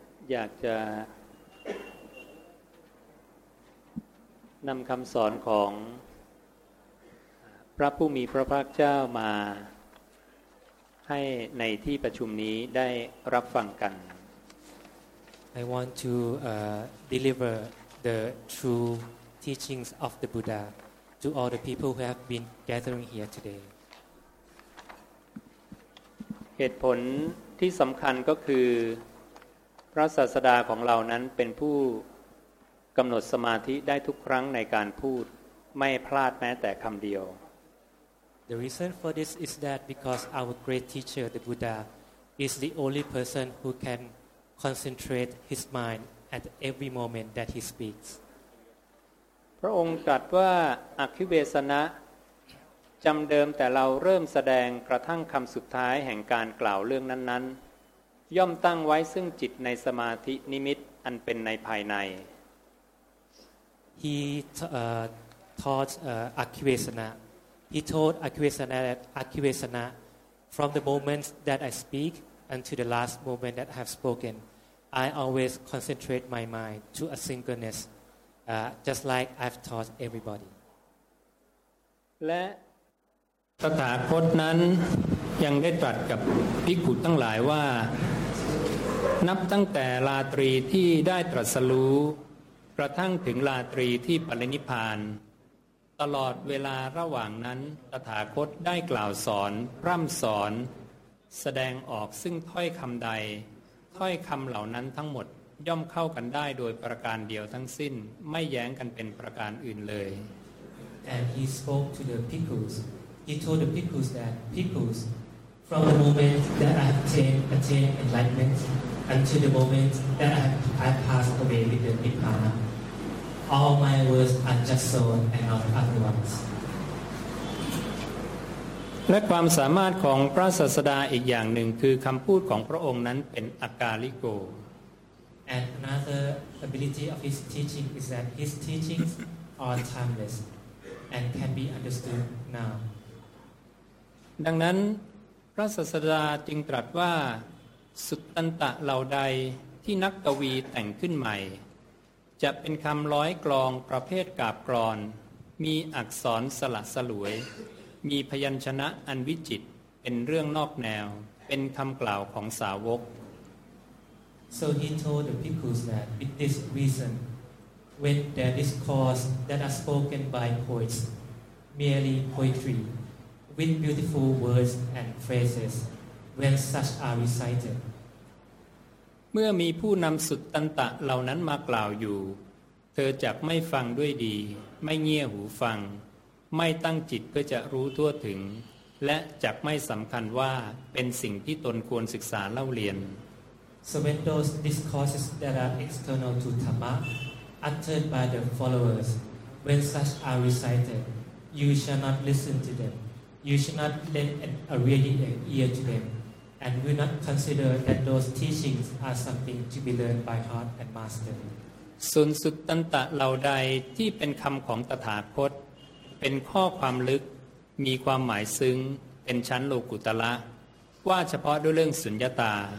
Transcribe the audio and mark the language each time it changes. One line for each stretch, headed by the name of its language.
Thai: อยากจะนำคำสอนของพระผู้มีพระภาคเจ้ามาให้ในที่ประชุมนี้ได้รับฟังกัน
English: I want to deliver the true teachings of the Buddha to all the people who have been gathering here today
Thai: เหตุผลที่สำคัญก็คือพระศาสดาของเรานั้นเป็นผู้กำหนดสมาธิได้ทุกครั้งในการพูดไม่พลาดแม้แต่คำเดียว
English: The reason for this is that because our great teacher the Buddha is the only person who can concentrate his mind at every moment that he speaks
Thai: พระองค์ตรัสว่าอัคคิเวสนะจำเดิมแต่เราเริ่มแสดงกระทั่งคำสุดท้ายแห่งการกล่าวเรื่องนั้นๆย่อมตั้งไว้ซึ่งจิตในสมาธินิมิตอันเป็นในภายใน
English: he taught Akivesana. He told Akivesana that Akivesana, from the moment that I speak until the last moment that I have spoken, I always concentrate my mind to a singleness, just like I've taught everybody.
Thai: และตถาคตนั้นยังได้ตรัสกับภิกขุทั้งหลายว่านับตั้งแต่ราตรีที่ได้ตรัสรู้กระทั่งถึงราตรีที่ปรินิพพานตลอดเวลาระหว่างนั้นตถาคตได้กล่าวสอนพร่ำสอนแสดงออกซึ่งถ้อยคำใดถ้อยคำเหล่านั้นทั้งหมดย่อมเข้ากันได้โดยประการเดียวทั้งสิ้นไม่แย้งกันเป็นประการอื่นเลย
English: And he spoke to the bhikkhus. He told the bhikkhus that, bhikkhus, from the moment that I have attained enlightenment until the moment that I pass away with the nirvana, all my words are just so and not otherwise.
Thai: และความสามารถของพระศาสดาอีกอย่างหนึ่งคือคำพูดของพระองค์นั้นเป็นอากาลิโก
English: And another ability of his teaching is that his teachings are timeless. And can be understood now.
Thai: ดังนั้นพระศาสดาจึงตรัสว่าสุตตันตะเหล่าใดที่นักกวีแต่งขึ้นใหม่จะเป็นคำร้อยกลองประเภทกาบกลอนมีอักษรสละสลวยมีพยัญชนะอันวิจิตรเป็นเรื่องนอกแนวเป็นคำกล่าวของสาวก
English: So he told the bhikkhus that with this reasonWith their discourse that are spoken by poets, merely poetry, with beautiful words and phrases, when such are recited.
Thai: เมื่อมีผู้นำสุตตันตะเหล่านั้นมากล่าวอยู่เธอจักไม่ฟังด้วยดีไม่เงี่ยหูฟังไม่ตั้งจิตเพื่อจะรู้ทั่วถึงและจักไม่สำคัญว่าเป็นสิ่งที่ตนควรศึกษาเล่าเรียน
English: So when those discourses that are external to DhammaUttered by the followers, when such are recited, you shall not listen to them. You shall not lend a ready ear to them, and will not consider that those teachings are something to be learned by heart and master.
Thai: สุนสุตตันตะเหล่าใดที่เป็นคำของตถาคตเป็นข้อความลึกมีความหมายซึ้งเป็นชั้นโลกุตระว่าเฉพาะด้วยเรื่องสุญญตา